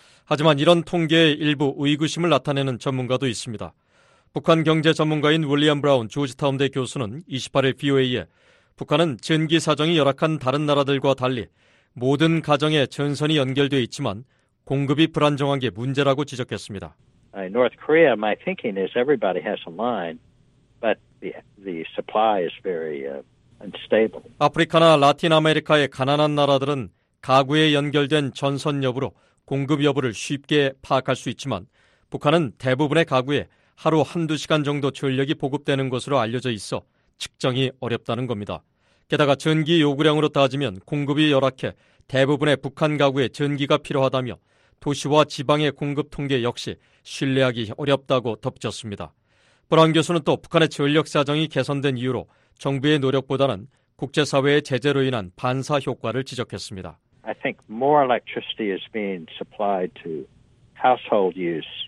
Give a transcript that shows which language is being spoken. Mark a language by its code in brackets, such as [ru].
[ko] 하지만 이런 통계의 일부 의구심을 나타내는 전문가도 있습니다. 북한 경제 전문가인 윌리엄 브라운 조지타운대 교수는 28일 VOA에 북한은 전기 사정이 열악한 다른 나라들과 달리 모든 가정에 전선이 연결되어 있지만 공급이 불안정한 게 문제라고 지적했습니다. [en] North Korea, my thinking is everybody has a line, but the supply is very unstable. [ko] 아프리카나 라틴 아메리카의 가난한 나라들은 가구에 연결된 전선 여부로 공급 여부를 쉽게 파악할 수 있지만 북한은 대부분의 가구에 하루 한두 시간 정도 전력이 보급되는 것으로 알려져 있어 측정이 어렵다는 겁니다. 게다가 전기 요구량으로 따지면 공급이 열악해 대부분의 북한 가구에 전기가 필요하다며 도시와 지방의 공급 통계 역시 신뢰하기 어렵다고 덧붙였습니다. 브라운 교수는 또 북한의 전력 사정이 개선된 이유로 정부의 노력보다는 국제사회의 제재로 인한 반사 효과를 지적했습니다. [en] I think more electricity is being supplied to household use.